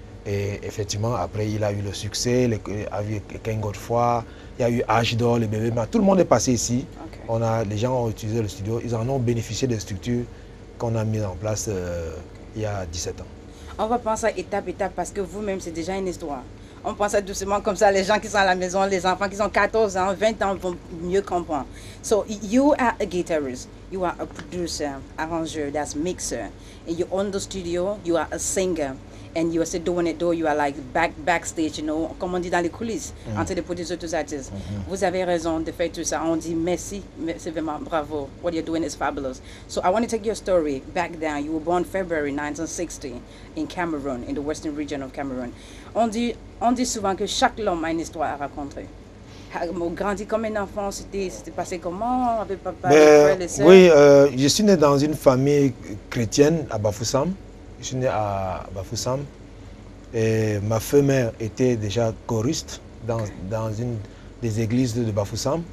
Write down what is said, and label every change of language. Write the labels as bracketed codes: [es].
[fr] Et effectivement, après, il a eu le succès avec King Godfrey, il y a eu H-Doll, les bébés, tout le monde est passé ici. Les gens ont utilisé le studio, ils en ont bénéficié des structures qu'on a mises en place il y a 17 ans. On va penser étape par étape parce que vous-même, c'est déjà une histoire. On pense doucement comme ça, les gens qui sont à la maison, les enfants qui ont 14 ans, 20 ans vont mieux comprendre. [en] So, you are a guitarist, you are a producer, arranger, that's mixer, and you own the studio, you are a singer. And you are still doing it though, you are like backstage, you know, [fr] comme on dit dans les coulisses, [en] mm-hmm. [fr] entre les producteurs et les artistes. Mm-hmm. Vous avez raison de faire tout ça. On dit merci, merci vraiment, bravo. [en] What you're doing is fabulous. So I want to take your story back down. You were born February 1960 in Cameroon, in the western region of Cameroon. [fr] On dit souvent que chaque homme a une histoire à raconter. On grandit comme un enfant, c'était passé comment avec papa, avec frère, les soeurs? Oui, je suis né dans une famille chrétienne à Bafoussam. Je suis né à Bafoussam et ma femme était déjà choriste dans une des églises de Bafoussam.